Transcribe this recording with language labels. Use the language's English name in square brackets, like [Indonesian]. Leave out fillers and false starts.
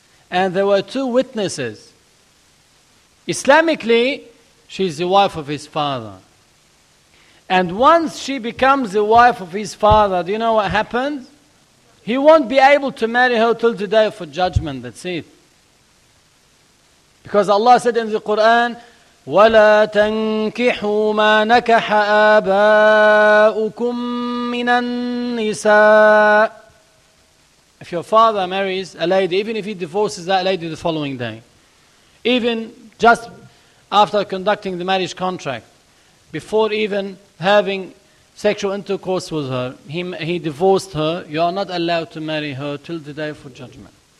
[English] And there were two witnesses. Islamically, she's the wife of his father. And once she becomes the wife of his father, do you know what happens? He won't be able to marry her till the day of judgment. That's it. Because Allah said in the Quran, [Arabic] وَلَا تَنْكِحُوا مَا نَكَحَ آبَاؤُكُمْ مِنَ النِّسَاءِ. [English] If your father marries a lady, even if he divorces that lady the following day, even just after conducting the marriage contract, before even having sexual intercourse with her, he divorced her, you are not allowed to marry her till the day for judgment.